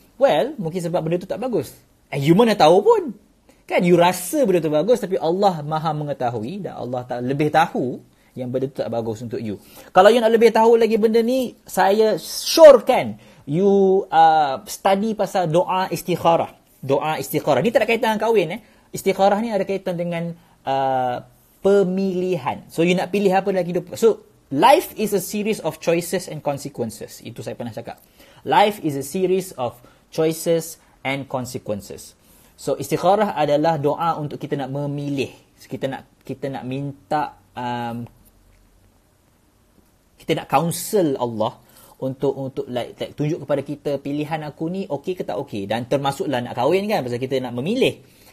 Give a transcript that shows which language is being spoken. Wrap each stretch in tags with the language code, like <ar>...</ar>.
<ms>Well, mungkin sebab benda tu tak bagus. And you mana tahu pun. Kan, you rasa benda tu bagus tapi Allah maha mengetahui dan Allah tak lebih tahu yang benda tu tak bagus untuk you. Kalau you nak lebih tahu lagi benda ni, saya sure kan, you study pasal doa istikharah. Doa istikharah. Ni tak ada kaitan dengan kahwin eh. Istikharah ni ada kaitan dengan pemilihan. So, you nak pilih apa dalam hidup.</ms> <en>So, life is a series of choices and consequences.</en> <ms>Itu saya pernah cakap.</ms> <en>Life is a series of choices and consequences.</en> <ms>So, istikharah adalah doa untuk kita nak memilih. So, kita nak minta, kita nak counsel Allah untuk like tunjuk kepada kita pilihan aku ni okey ke tak okey, dan termasuklah nak kahwin kan, pasal kita nak memilih.</ms>